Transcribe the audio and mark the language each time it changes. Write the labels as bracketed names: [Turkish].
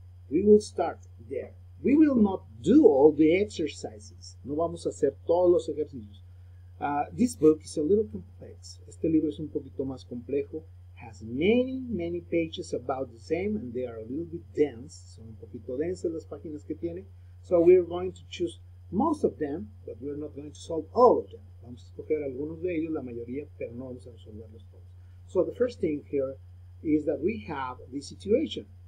[English] We will start there. We will not do all the exercises. [Spanish] No vamos a hacer todos los ejercicios. [English] This book is a little complex. [Spanish] Este libro es un poquito más complejo. [English] Has many, many pages about the same, and they are a little bit dense. [Spanish] Son un poquito densas las páginas que tiene. [English] So we're going to choose most of them, but we're not going to solve all of them. [Spanish] Vamos a escoger algunos de ellos, la mayoría, pero no vamos a resolverlos todos. [English] So the first thing here is that we have the situation.